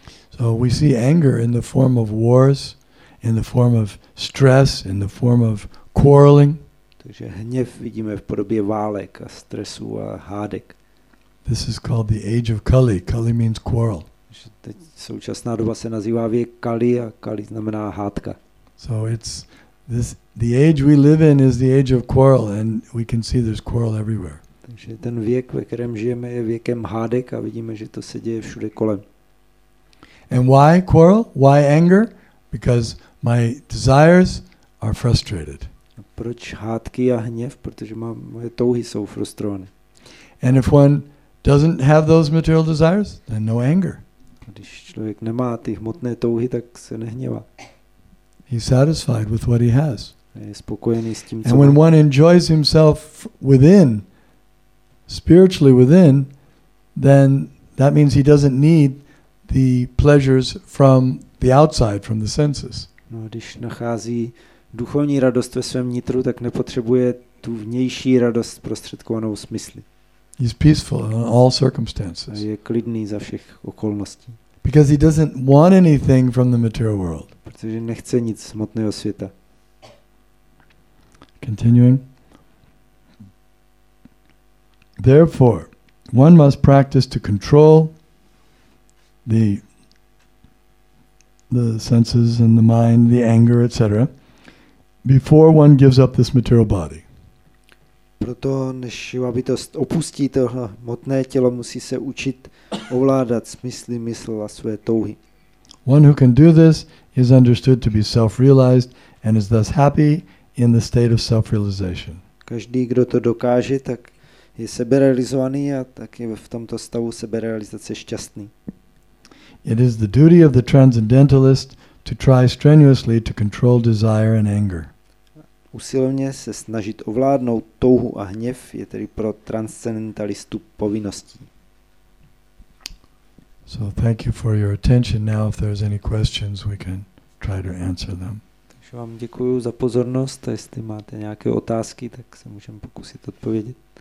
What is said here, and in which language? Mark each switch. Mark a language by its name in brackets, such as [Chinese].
[English] So we see anger in the form of wars, in the form of stress, in the form of quarreling. [Czech] Takže hněv vidíme v podobě válek a stresu a hádek. [English] This is called the age of Kali. Kali means quarrel. [Czech] Teď současná doba se nazývá věk Kali a Kali znamená hádka. [English] So it's this, the age we live in is the age of quarrel, and we can see there's quarrel everywhere. [Czech] Takže ten věk, ve kterém žijeme, je věkem hádek a vidíme, že to se děje všude kolem. [English] And why quarrel? Why anger? Because my desires are frustrated. [Czech] Proč hádky a hněv? Protože moje touhy jsou frustrované. [English] And if one doesn't have those material desires, then no anger. [Czech] Když člověk nemá ty hmotné touhy, tak se nehněvá. [English] He's satisfied with what he has. [Czech] Je spokojený s tím, [English] co. And when one enjoys himself within, spiritually within, then that means he doesn't need the pleasures from the outside, from the senses. [Czech] No, když nachází duchovní radost ve svém nitru, tak nepotřebuje tu vnější radost prostředkovanou smysly. [English] He's peaceful in all circumstances. [Czech] Je klidný za všech okolností. [English] Because he doesn't want anything from the material world. [Czech] Protože nechce nic z hmotného světa. [English] Continuing. Therefore, one must practice to control the senses and the mind, the anger, etc. before one gives up this material body. [Czech] Proto, než jeho bytost opustí tohle hmotné tělo, musí se učit ovládat smysly, mysl a své touhy. [English] One who can do this is understood to be self-realized and is thus happy in the state of self-realization. [Czech] Každý, kdo to dokáže, tak je seberealizovaný a tak je v tomto stavu seberealizace šťastný. [English] It is the duty of the transcendentalist to try strenuously to control desire and anger. [Czech] Usilovně se snažit ovládnout touhu a hněv je tedy pro transcendentalistu povinností. [English] So thank you for your attention. Now if there's any questions, we can try to answer them. [Czech] Takže vám děkuju za pozornost. A jestli máte nějaké otázky, tak se můžeme pokusit odpovědět.